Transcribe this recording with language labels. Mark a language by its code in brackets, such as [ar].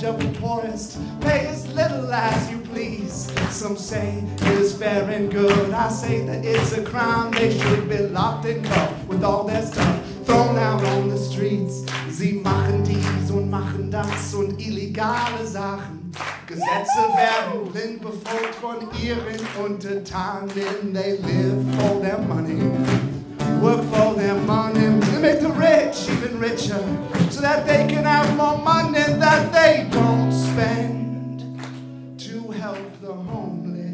[en] Pay as little as you please. Some say it is fair and good. I say that it's a crime. They should be locked in cuffs with all their stuff thrown out on the streets. [de] Sie machen dies und machen das und illegale Sachen. Gesetze werden blind befolgt von ihren Untertanen. [en] They live for their money, work for their money, to make the rich even richer, so that they can have more money that they don't spend to help the homeless.